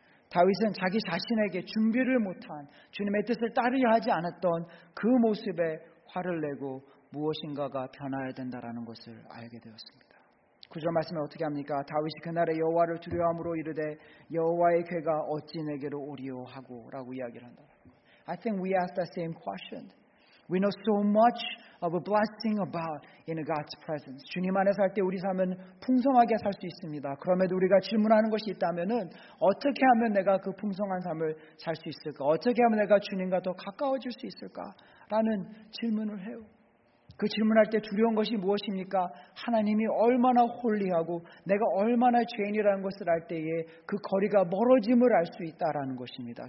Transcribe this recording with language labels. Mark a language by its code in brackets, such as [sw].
[ko] 다윗은 자기 자신에게 준비를 못한 주님의 뜻을 따르려 하지 않았던 그 모습에 화를 내고 무엇인가가 변화해야 된다라는 것을 알게 되었습니다. 구절 말씀에 어떻게 합니까? 다윗이 그날에 여호와를 두려워함으로 이르되 여호와의 궤가 어찌 내게로 오리오 하고 라고 이야기를 한다. [en] I think we ask the same question. We know so much of a blessing about in God's presence. [ko] 주님 안에 살 때 우리 삶은 풍성하게 살 수 있습니다. 그럼에도 우리가 질문하는 것이 있다면은 어떻게 하면 내가 그 풍성한 삶을 살 수 있을까? 어떻게 하면 내가 주님과 더 가까워질 수 있을까? 라는 질문을 해요. 그 질문할 때 두려운 것이 무엇입니까? 하나님이 얼마나 홀리하고 내가 얼마나 죄인이라는 것을 알 때에 그 거리가 멀어짐을 알 수 있다라는 것입니다.